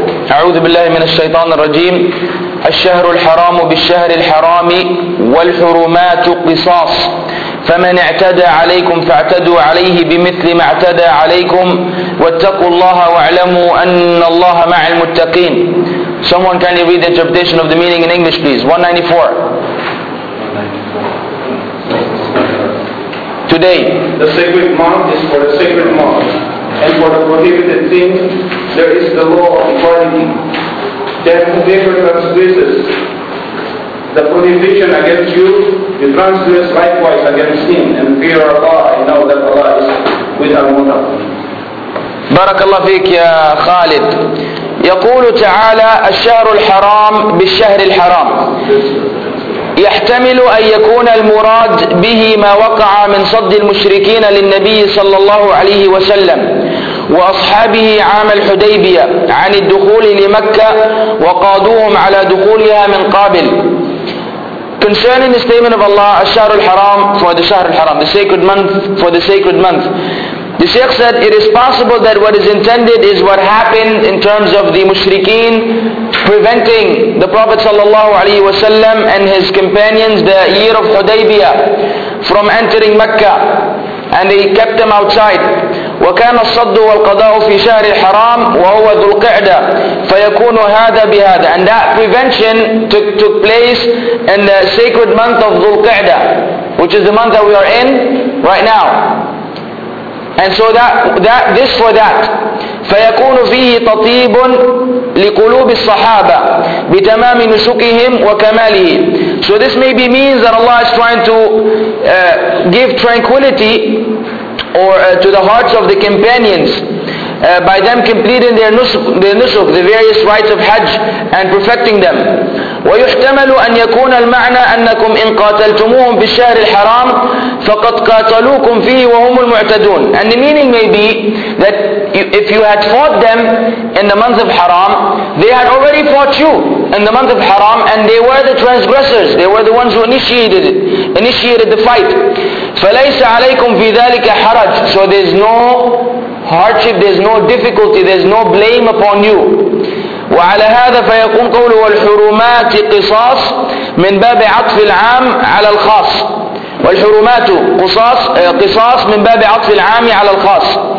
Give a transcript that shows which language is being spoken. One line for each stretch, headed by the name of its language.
Arabic: أعوذ بالله من الشيطان الرجيم. الشهر الحرام بالشهر الحرام والحرمات قصاص فمن اعتدى عليكم فاعتدوا عليه بمثل ما اعتدى عليكم واتقوا الله واعلموا أن الله مع المتقين.
English: Someone kindly read the interpretation of the meaning in English, please. 194. Today, the sacred month is for the sacred month, and for the prohibited things there is the law of equality. Then whoever transgresses the prohibition against you, you transgress likewise against him, and fear Allah, and know that Allah is with Al-Muttaqin.
Arabic: Barakallah fiqh ya Khalid. يقول تعالى الشهر الحرام بالشهر الحرام. يحتمل أن يكون المراد به ما وقع من صد المشركين للنبي صلى الله عليه وسلم وأصحابه عام الحديبية عن الدخول لمكة وقادوهم على دخولها من قابل.
English: Concerning the statement of Allah, الشهر الحرام for the شهر الحرام, the sacred month for the sacred month. The Shaykh said, it is possible that what is intended is what happened in terms of the mushrikeen preventing the Prophet sallallahu alaihi wasallam and his companions the year of Hudaybiyah from entering Mecca, and they kept them outside.
Arabic: وَكَانَ الصَّدُّ وَالْقَضَاءُ فِي شَهْرِ الْحَرَامِ وَهُوَ ذُو الْقِعْدَةِ فَيَكُونُ هَذَا بِهَذَا.
English: And that prevention took place in the sacred month of ذُو الْقِعْدَةِ, which is the month that we are in right now. And so that this for that.
Arabic: فَيَكُونُ فِيهِ تَطِيبٌ لِقُلُوبِ الصَّحَابَةِ بِتَمَامِ نُسُكِهِمْ وَكَمَالِهِ.
English: So this maybe means that Allah is trying to give tranquility to the hearts of the companions by them completing their nusuk, the various rites of Hajj, and perfecting them.
Arabic: ويحتمل أن يكون المعنى أنكم إن قاتلتموهم بالشهر الحرام فقد قاتلوكم فيه وهم المعتدون.
English: And the meaning may be that if you had fought them in the month of Haram, they had already fought you in the month of Haram, and they were the transgressors. They were the ones who initiated the fight.
Arabic: فليس عليكم في ذلك حرج.
English: So there's no hardship, there's no difficulty, there's no blame upon you.
Arabic: وعلى هذا فيكون قوله والحرمات قصاص من باب عطف العام على الخاص. والحرمات قصاص من باب عطف العام على الخاص.